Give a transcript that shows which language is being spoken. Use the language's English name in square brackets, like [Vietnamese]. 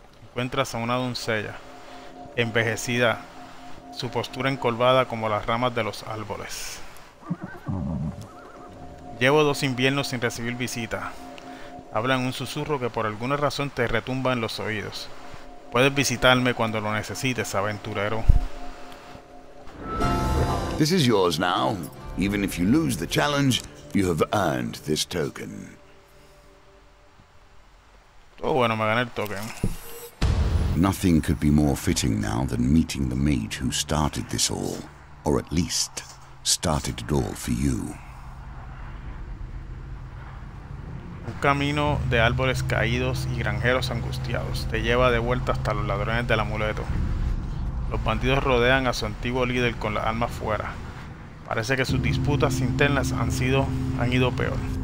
[Spanish] Encuentras a una doncella, envejecida, su postura encorvada como las ramas de los árboles. Llevo dos inviernos sin recibir visita. Habla en un susurro que por alguna razón te retumba en los oídos. Puedes visitarme cuando lo necesites, aventurero. [English] This is yours now. Even if you lose the challenge, you have earned this token. [Spanish] Oh, bueno, me gané el token. [English] Nothing could be more fitting now than meeting the mage who started this all, or at least started it all for you. [Spanish] Un camino de árboles caídos y granjeros angustiados te lleva de vuelta hasta los ladrones del amuleto. Los bandidos rodean a su antiguo líder con las armas fuera. Parece que sus disputas internas han ido peor.